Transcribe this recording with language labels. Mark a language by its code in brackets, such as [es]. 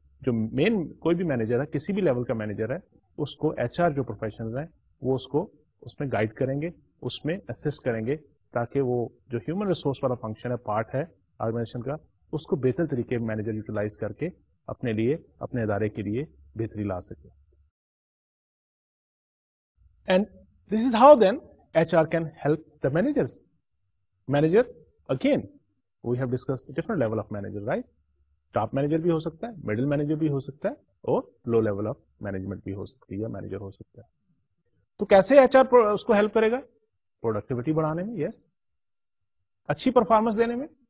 [ur] جو مین کوئی بھی مینیجر ہے, کسی بھی لیول کا مینیجر ہے, اس کو ایچ آر جو پروفیشنل ہیں وہ اس کو اس میں گائیڈ کریں گے, اس میں اسسٹ کریں گے, تاکہ وہ جو ہیومن ریسورس والا فنکشن ہے, پارٹ ہے آرگنائزیشن کا, اس کو بہتر طریقے میں مینیجر یوٹیلائز کر کے اپنے لیے, اپنے ادارے کے لیے بہتری لا سکے. [en] And this is how then H R can help the managers. [ur] Manager [en] Again we have discuss different level of manager, right? [ur] Top manager بھی ہو سکتا ہے, مڈل مینیجر بھی ہو سکتا ہے, اور لو لیول آف مینجمنٹ بھی ہو سکتی ہے, مینیجر ہو سکتا ہے. تو کیسے ایچ آر اس کو ہیلپ کرے گا؟ پروڈکٹیوٹی بڑھانے میں, یس, اچھی پرفارمنس دینے میں.